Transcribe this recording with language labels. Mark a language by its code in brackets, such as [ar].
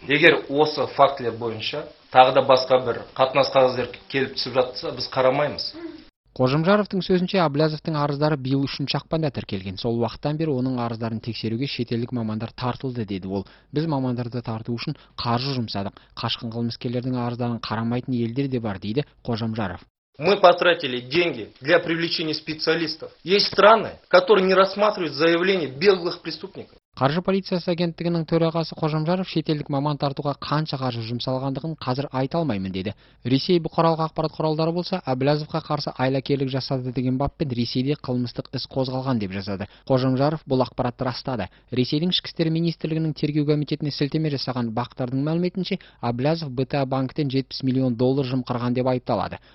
[kk] Егер осы фактілер бойынша тағы да басқа бір қатынас қағаздар келіп түсіп жатса, біз қарамаймыз. Қожамжаровтың сөзінше, Әбіләзовтың арыздары биыл 3 ақпанда тіркелген. Сол уақыттан бері оның арыздарын тексеруге шетелдік мамандар тартылды, деді ол. Біз мамандарды тарту үшін қаржы жұмсадық. Қашқын қылмыскерлердің арыздарын қарамайтын елдер де бар, дейді Қожамжаров. [ru] Мы потратили деньги для привлечения специалистов. Есть страны, которые не рассматривают заявления беглых преступников. [kk] Қаржы полициясы агенттігінің төрағасы Қожамжаров шетелдік маман тартуға қанша қаржы жұмсалғандығын қазір айта алмаймын, деді. Ресей бұқаралық ақпарат құралдары болса, Әбіләзовқа қарсы айлакерлік жасады деген баппен Ресейде қылмыстық іс қозғалған деп жазады. Қожамжаров бұл ақпаратты растады. Ресейдің ішкі істер министрлігінің тергеу комитетіне сілтеме жасаған бақтардың мәліметінше, Әбіләзов БТА банктен 70 миллион доллар жымқырған деп айыпталады.